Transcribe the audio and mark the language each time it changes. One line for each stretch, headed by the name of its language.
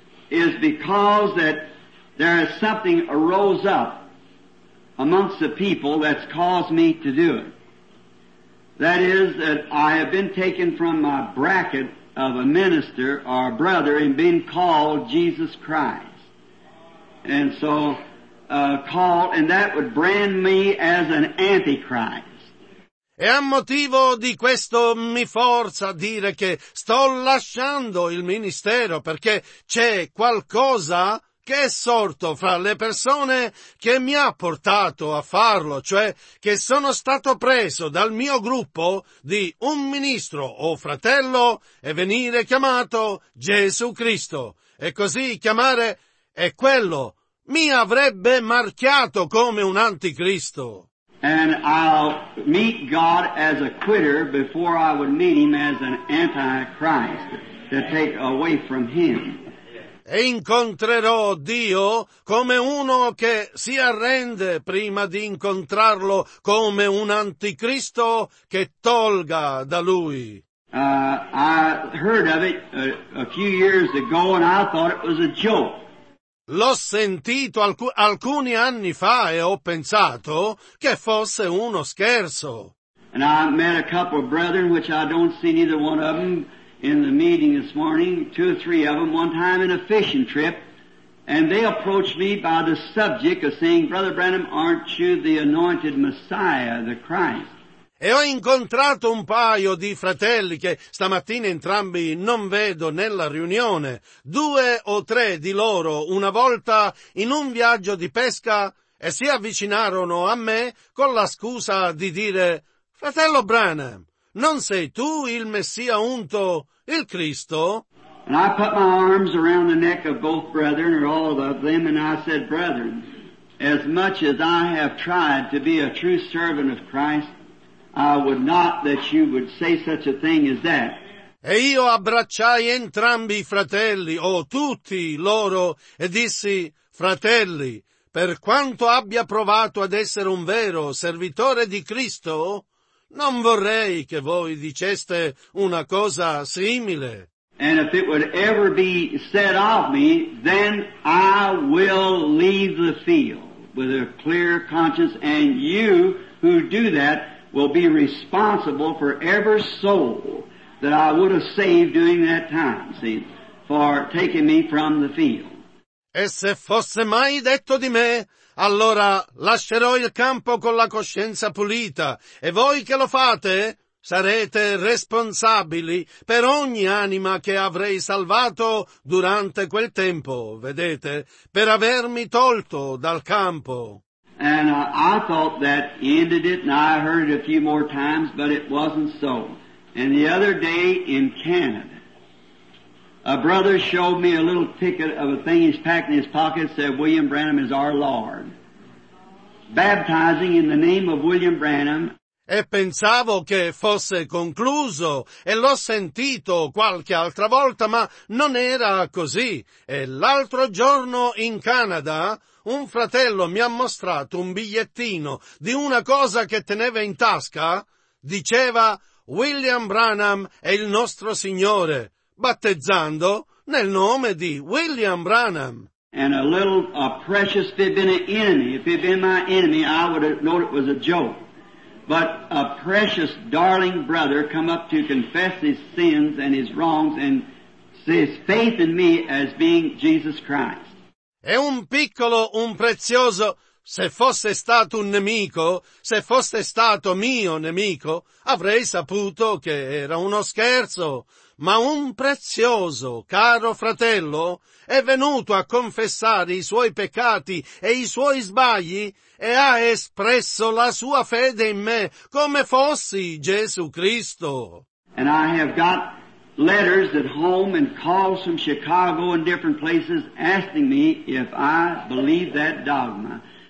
English: Is because that there is something arose up amongst the people that's caused me to do it. That is that I have been taken from my bracket of a minister or a brother and been called Jesus Christ. And so called, and that would brand me as an antichrist.
Italian: E a motivo di questo mi forza a dire che sto lasciando il ministero perché c'è qualcosa che è sorto fra le persone che mi ha portato a farlo, cioè che sono stato preso dal mio gruppo di un ministro o fratello e venire chiamato Gesù Cristo. E così chiamare è quello, mi avrebbe marchiato come un anticristo.
English: And I'll meet God as a quitter before I would meet him as an antichrist to take away from him.
Italian: E incontrerò Dio come uno che si arrende prima di incontrarlo come un anticristo che tolga da lui.
English: I heard of it a few years ago and I thought it was a joke.
Italian: L'ho sentito alcuni anni fa e ho pensato che fosse uno scherzo.
English: And I met a couple of brethren, which I don't see neither one of them in the meeting this morning, two or three of them, one time in a fishing trip, and they approached me by the subject of saying, Brother Branham, aren't you the anointed Messiah, the Christ?
Italian: E ho incontrato un paio di fratelli che stamattina entrambi non vedo nella riunione. Due o tre di loro, una volta in un viaggio di pesca, e si avvicinarono a me con la scusa di dire, Fratello Branham, non sei tu il Messia unto, il Cristo?
English: And I put my arms around the neck of both brethren, or all of them, and I said, Brethren, as much as I have tried to be a true servant of Christ, I would not that you would say such a thing as that.
Italian: E io abbracciai entrambi i fratelli, o tutti loro, e dissi, fratelli, per quanto abbia provato ad essere un vero servitore di Cristo, non vorrei che voi diceste una cosa simile.
English: And if it would ever be said of me, then I will leave the field with a clear conscience, and you who do that will be responsible for every soul that I would have saved during that time, see, for taking me from the field.
Italian: E se fosse mai detto di me, allora lascerò il campo con la coscienza pulita, e voi che lo fate, sarete responsabili per ogni anima che avrei salvato durante quel tempo, vedete, per avermi tolto dal campo.
English: And I thought that ended it, and I heard it a few more times, but it wasn't so. And the other day in Canada, a brother showed me a little ticket of a thing he's packed in his pocket, said, William Branham is our Lord. Baptizing in the name of William Branham.
Italian: E pensavo che fosse concluso, e l'ho sentito qualche altra volta, ma non era così. E l'altro giorno in Canada, un fratello mi ha mostrato un bigliettino di una cosa che teneva in tasca. Diceva, William Branham è il nostro Signore, battezzando nel nome di William Branham.
English: And a little, a precious, if it'd been an enemy, if it'd been my enemy, I would have known it was a joke. But a precious, darling brother come up to confess his sins and his wrongs and his faith in me as being Jesus Christ.
Italian: È un piccolo, un prezioso, se fosse stato un nemico, se fosse stato mio nemico, avrei saputo che era uno scherzo. Ma un prezioso, caro fratello, è venuto a confessare i suoi peccati e i suoi sbagli e ha espresso la sua fede in me come fossi Gesù Cristo.
English: And I have got letters at home and calls from Chicago and different places asking me if I believe that dogma.